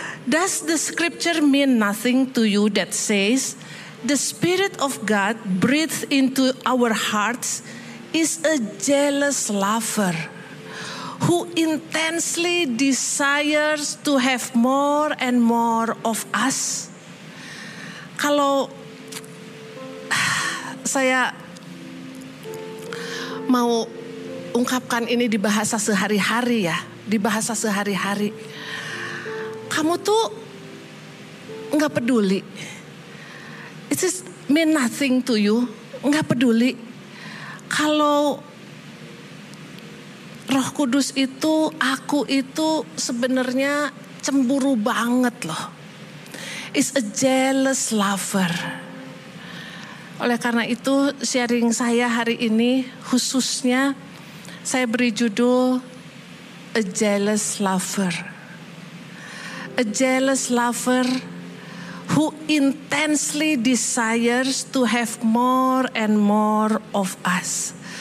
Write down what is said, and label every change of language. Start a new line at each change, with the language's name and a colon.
English: Does the scripture mean nothing to you that says the spirit of God breathed into our hearts is a jealous lover who intensely desires to have more and more of us?
Indonesian: Kalau saya mau ungkapkan ini di bahasa sehari-hari ya, di bahasa sehari-hari, kamu tuh gak peduli.
English: It is mean nothing to you.
Indonesian: Gak peduli kalau Roh Kudus itu, aku itu sebenarnya cemburu banget loh.
English: Is a jealous lover.
Indonesian: Oleh karena itu sharing saya hari ini khususnya saya beri judul A Jealous Lover.
English: A jealous lover who intensely desires to have more and more of us.